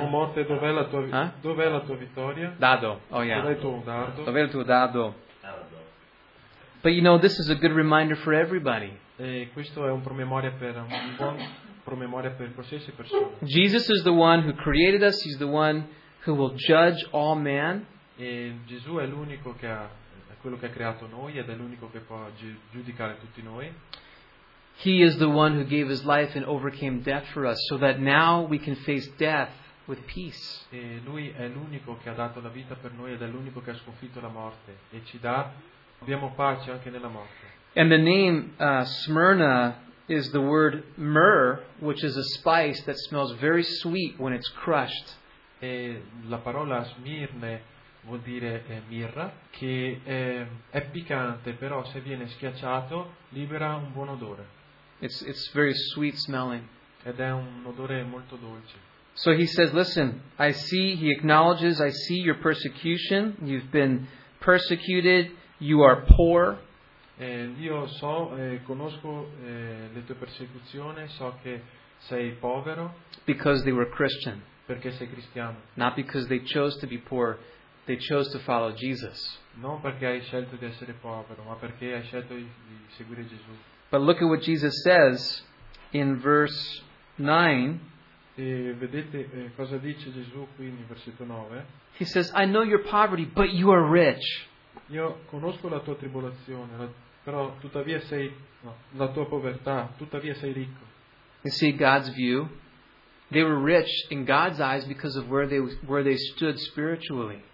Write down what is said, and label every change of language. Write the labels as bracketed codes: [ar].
[it] O morte, dov'è la tua dov'è la tua vittoria? [en] Dado. Oh yeah. [it] Dov'è il tuo dado? Dov'è il tuo dado? [en] But you know, this is a good reminder for everybody. [it] E questo è un promemoria per un buon promemoria per qualsiasi persona. [en] Jesus is the one who created us. He's the one who will judge all man. [it] E Gesù è l'unico che ha quello che ha creato noi ed è l'unico che può giudicare tutti noi. [en] He is the one who gave His life and overcame death for us, so that now we can face death with peace. [it] E lui è l'unico che ha dato la vita per noi ed è l'unico che ha sconfitto la morte e ci dà. Abbiamo pace anche nella morte. [en] And the name Smyrna is the word myrrh, which is a spice that smells very sweet when it's crushed. [it] E la parola Smirne vuol dire mirra, che è piccante, però se viene schiacciato libera un buon odore. [en] It's very sweet smelling. [it] Ed è un odore molto dolce. [en] So he says, listen, I see, he acknowledges, I see your persecution, you've been persecuted. You are poor. [it] Io so, conosco le tue persecuzioni, so che sei povero. [en] Because they were Christian. [it] Perché sei cristiano. [en] Not because they chose to be poor, they chose to follow Jesus. [it] Non perché hai scelto di essere povero, ma perché hai scelto di seguire Gesù. [en] But look at what Jesus says in verse 9. [it] Vedete cosa dice Gesù qui in versetto 9. [en] He says, "I know your poverty, but you are rich." [it] Io conosco la tua tribolazione, però tuttavia sei la tua povertà, tuttavia sei ricco. [en] You see God's view. They were rich in God's eyes because of where they stood spiritually.